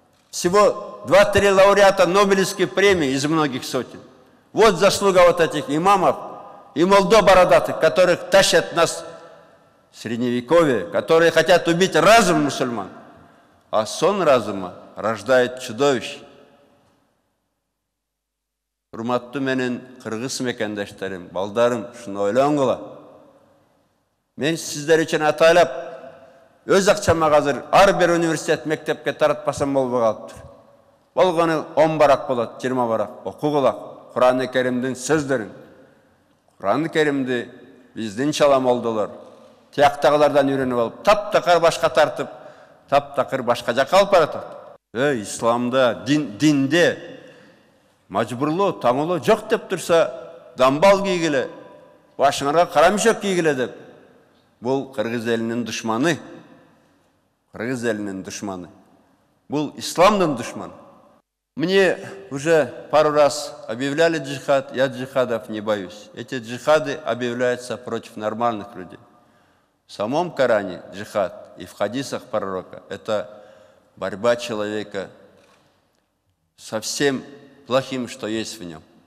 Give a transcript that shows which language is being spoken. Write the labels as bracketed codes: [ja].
[ru] Всего 2-3 лауреата Нобелевской премии из многих сотен. Вот заслуга вот этих имамов и молодо бородатых, которых тащат нас в Средневековье, которые хотят убить разум мусульман. А сон разума рождает чудовищ. [ky] Урматту менен кыргыз мекендештерим, балдарым, шуну ойлонгула. Мен сиздер үчүн атайлап, өз акчама азыр ар бир университет мектепке таратпасам болбой калыптыр. Болгону 10 барак болот, 20 барак. Окугула Куран-ы Керимдин сөздөрүн. Куран-ы Керимди биздин чаламолдолор тияктагылардан үйрөнүп алып, таптакыр башка тартып, таптакыр башка жака алып баратат. Исламда, динде мажбурлоо, таңылоо жок деп турса, дамбал кийгиле, башыңарга кара мүшөк кийгиле деп. Бул кыргыз элинин душманы. Кыргыз элинин душманы. Бул исламдын душманы. [ru] Мне уже пару раз объявляли джихад, я джихадов не боюсь. Эти джихады объявляются против нормальных людей. В самом Коране джихад и в хадисах пророка – это борьба человека со всем плохим, что есть в нем.